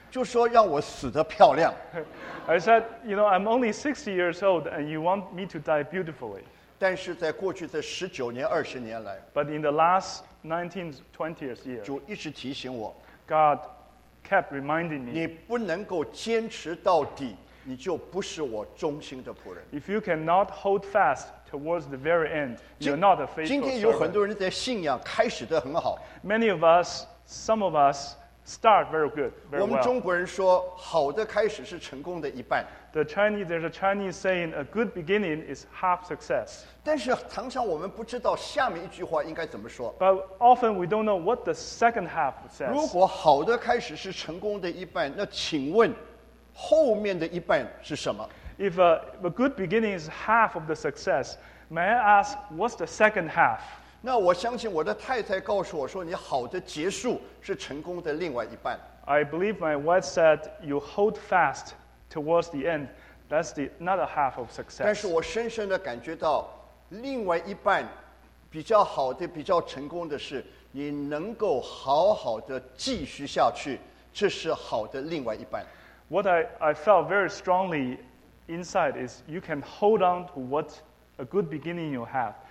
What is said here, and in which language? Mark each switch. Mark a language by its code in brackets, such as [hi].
[zh] 我说我还没有到那个时候，你就说60岁生日，才一个甲子，就说让我死得漂亮。I [en] said, you know, I'm only 60 years old, and you want me to die beautifully. [zh] 但是在过去这19年20年来， [en] but in the last 19-20 years, [zh] 主一直提醒我， [en] God kept reminding me. [zh] 你不能够坚持到底， 你就不是我忠心的仆人。 [en] If you cannot hold fast towards the very end, you're not a faithful servant. [zh] 今天有很多人在信仰开始得很好。 [en] Many of us, some of us, start very good, very well. [zh] 我们中国人说, 好的开始是成功的一半。 [en] There's a Chinese saying, a good beginning is half success. [zh] 但是常常我们不知道下面一句话应该怎么说。 [en] But often we don't know what the second half says. [zh] 如果好的开始是成功的一半, 那请问, 后面的一半是什么? [en] If a good beginning is half of the success, may I ask, what's the second half? [zh] 那我相信我的太太告诉我说, 你好的结束是成功的另外一半。 [en] I believe my wife said, you hold fast towards the end. That's the another half of success. [zh] 但是我深深地感觉到, 另外一半比较好的, 比较成功的是, 你能够好好地继续下去, 这是好的另外一半。 [en] What I felt very strongly inside is you can hold on to what a good beginning you have.